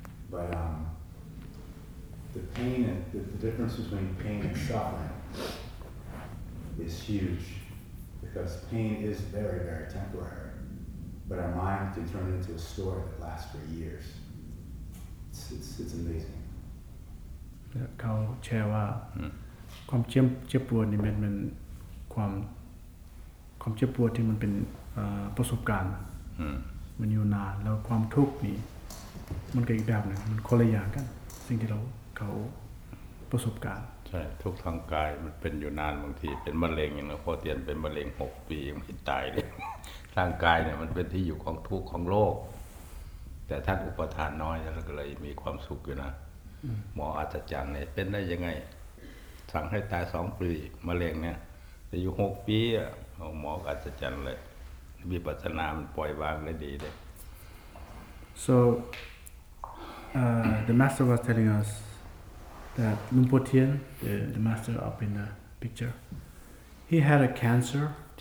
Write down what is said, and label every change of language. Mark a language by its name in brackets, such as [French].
[English] But the pain, and the difference between pain and suffering is huge. because pain is very, very temporary. But our mind can turn it into a story that lasts for years. It's amazing. [Thai] เขาแชร์ว่าความเจ็บปวดนี่มันความเจ็บปวดที่มันเป็นประสบการณ์ มันอยู่นานแล้วความทุกข์นี่มันก็อีกแบบนึงมันคนละอย่างกันสิ่งที่เขาประสบการณ์ ใช่ทุกทางกายมันเป็นอยู่นานบางทีเป็นมะเร็งอย่างเราพอเตียนเป็นมะเร็ง6ปียังไม่ตายเลยร่างกายเนี่ยมันเป็นที่อยู่ของทุกข์ของโลกแต่ท่านอุปทานน้อยแล้วก็เลยมีความสุขอยู่นะหมออัศจรรย์เนี่ยเป็นได้ยังไงสั่งให้ตาย2ปีมะเร็งเนี่ยจะอยู่6ปีหมออัศจรรย์เลยวิปัสสนามันปล่อยวางได้ดีเลย [English] so the master was telling usThat Lumpo Tien, the master up in the picture, he had a cancer.